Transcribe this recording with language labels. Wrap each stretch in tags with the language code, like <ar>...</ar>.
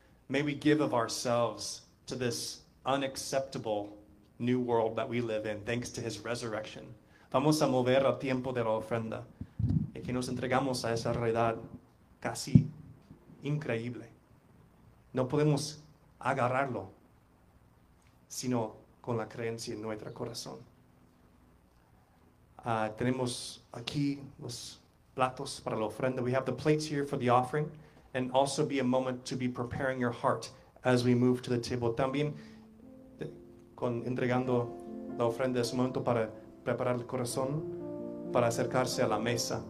<en>May we give of ourselves to this unacceptable new world that we live in, thanks to His resurrection.</en> <es>Vamos a mover a tiempo de la ofrenda. Y que nos entregamos a esa realidad casi increíble. No podemos agarrarlo, sino con la creencia en nuestro corazón. Tenemos aquí los platos para la ofrenda.</es> <en>We have the plates here for the offering. And also be a moment to be preparing your heart as we move to the table.</en> <es>También con entregando la ofrenda es un momento para preparar el corazón para acercarse a la mesa.</es>